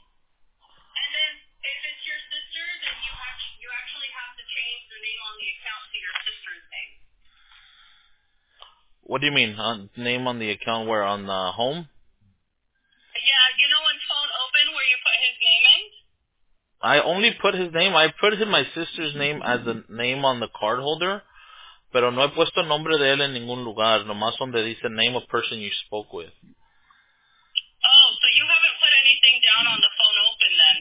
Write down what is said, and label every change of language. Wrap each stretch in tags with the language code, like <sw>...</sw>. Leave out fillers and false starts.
<en>And then if it's your sister, then you actually have to change the name on the account to your sister's name. What do you mean? Name on the account where? On the home? Yeah, you know when phone open where you put his name in? I only put his name. I put in my sister's name as the name on the card holder.</en> <es>Pero no he puesto nombre de él en ningún lugar. Nomás donde dice</es> <en>name of person you spoke with. Oh, so you haven't put anything down on the phone open then.</en>